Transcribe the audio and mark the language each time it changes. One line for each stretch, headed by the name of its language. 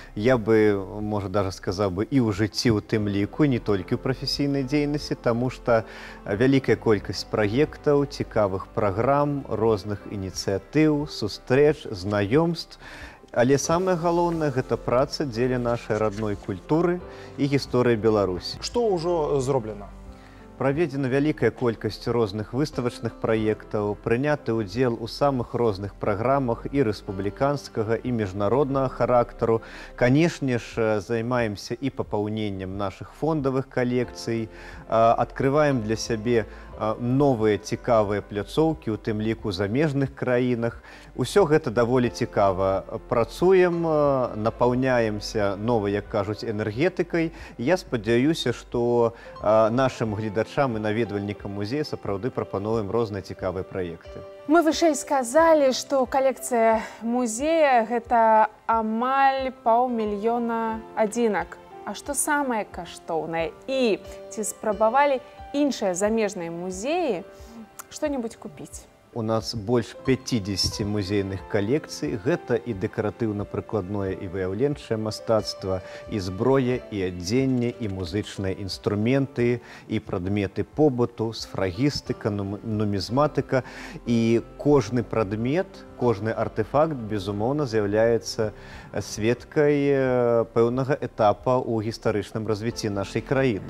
Russian: Я бы, может, даже сказал бы, и
Belarusian: у жыцці у тым ліку,
Russian: не только у профессийной деятельности, потому что великая колькость проектов, цікавых программ, разных инициатив, сустреч, знакомств. Але самое главное – это праца деле нашей родной культуры и истории Беларуси. Что уже зроблено?
Belarusian: Проведена великая колькасць розных выставачных праектаў, прыняты удзел у самых розных праграмах і рэспубліканскага, і міжнароднага характару. Канешне ж, займаемся і папаўненнем нашых фондавых калекцый, адкрываем для сябе новыя цікавыя пляцоўкі, у тым ліку замежных краінах. Усё гэта даволі цікава. Працуем, напаўняемся новай, як кажуць, энергетыкай. Я спадзяюся, што нашым гледачам і наведвальнікам музея сапраўды прапануем розныя цікавыя праекты. Мы вышэй сказалі, што калекцыя музея – гэта амаль паўмільёна адзінак. А што самае каштоўнае? І ці спрабавалі іншыя замежныя музеі што-небудзь купіць? У нас больш 50 музейных калекцый. Гэта і дэкаратыўна-прыкладное і выяўленчае мастацтва, і зброя, і адзенне, і музычныя інструменты, і прадметы побыту, сфрагістыка, нумізматыка. І кожны прадмет, кожны артэфакт, безумоўна, з'яўляецца сведкай пэўнага этапа ў гістарычным развіцці нашай краіны.